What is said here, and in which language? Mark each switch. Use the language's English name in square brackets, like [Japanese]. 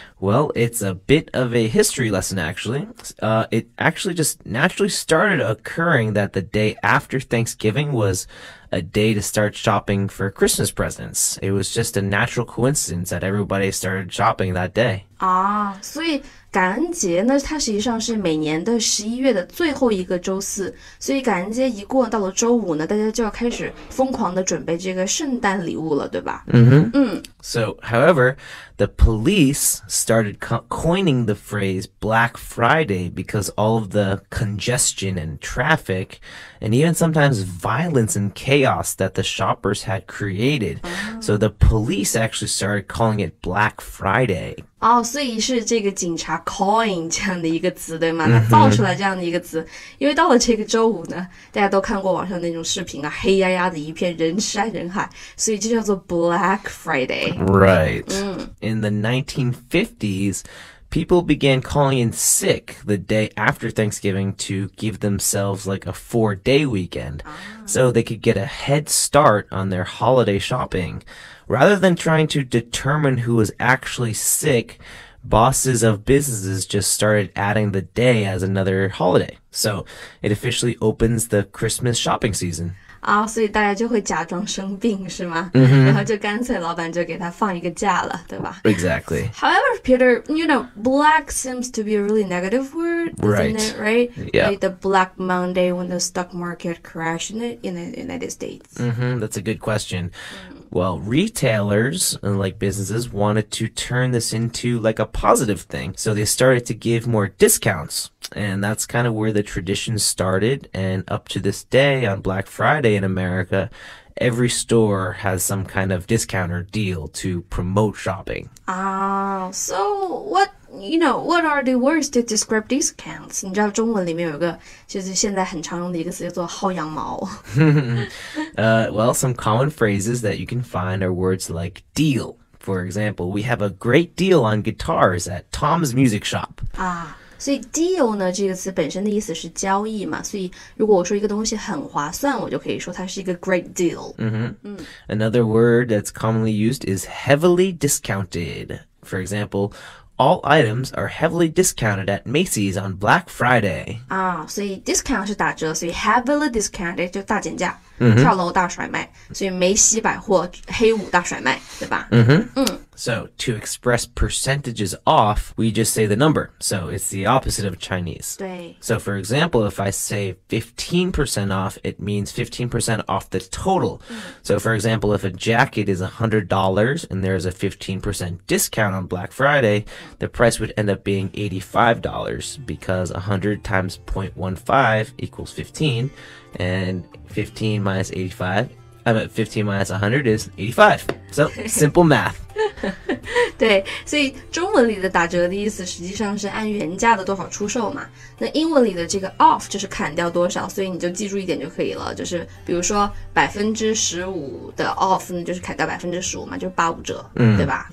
[English] Well, it's a bit of a history lesson, actually. It actually just naturally started occurring that the day after Thanksgiving was a day to start shopping for Christmas presents. It was just a natural coincidence that everybody started shopping that day. Ah, so... [Chinese] 感恩节呢它实际上是每年的11月的最后一个周四所以感恩节一过到了周五呢大家就要开始疯狂的准备这个圣诞礼物了对吧、 mm-hmm. 嗯 [English] So, however, the police started coining the phrase Black Friday because all of the congestion and traffic and even sometimes violence and chaos that the shoppers had created、 mm-hmm. So the police actually started calling it Black Friday [Chinese] 哦、oh, 所以是这个警察 coin 这样的一个词对吗他造出来这样的一个词、mm-hmm. 因为到了这个周五呢大家都看过网上那种视频啊黑压压的一片人山人海所以就叫做 Black Friday [English] Right、 mm. In the 1950s people began calling in sick the day after Thanksgiving to give themselves like a 4-day weekend、 ah. so they could get a head start on their holiday shopping. Rather than trying to determine who was actually sick, bosses of businesses just started adding the day as another holiday. So it officially opens the Christmas shopping season. [Chinese] 啊、oh, ，所以大家就会假装生病是吗？ Mm-hmm. 然后就干脆老板就给他放一个假了，对吧？ [English] Exactly. However, Peter, you know, black seems to be a really negative word, right? Isn't it, right? Yeah. Like the Black Monday when the stock market crashed in the United States. Mm-hmm. That's a good question. Well, retailers and like businesses wanted to turn this into like a positive thing, so they started to give more discounts. And that's kind of where the tradition started. And up to this day on Black Friday in America, every store has some kind of discount or deal to promote shopping. So what are the words to describe discounts? [Chinese] 你知道中文里面有个就是现在很常用的一个词叫做薅羊毛。 [English] well, some common phrases that you can find are words like deal. For example, we have a great deal on guitars at Tom's Music Shop. [Chinese] 所以 deal 呢这个词本身的意思是交易嘛所以如果我说一个东西很划算我就可以说它是一个 great deal、 mm-hmm. [English] Another word that's commonly used is heavily discounted For example, All items are heavily discounted at Macy's on Black Friday. [Chinese] 啊，所以 discount 是打折，所以 heavily discounted 就大减价， mm-hmm. 跳楼大甩卖，所以梅西百货黑五大甩卖，对吧？ Mm-hmm. [English] So to express percentages off, we just say the number. So it's the opposite of Chinese. [Chinese] 对。 [English] So for example, if I say 15% off, it means 15% off the total. So for example, if a jacket is $100 and there is a 15% discount on Black Friday, the price would end up being $85 because 100 times 0.15 equals 15 and 15 minus 85, I mean 15 minus 100 is 85. So simple math. [Chinese] 对，所以中文里的打折的意思实际上是按原价的多少出售嘛。那英文里的这个 off 就是砍掉多少，所以你就记住一点就可以了，就是比如说 15% 的 off 呢就是砍掉 15% 嘛，就是八五折、对吧？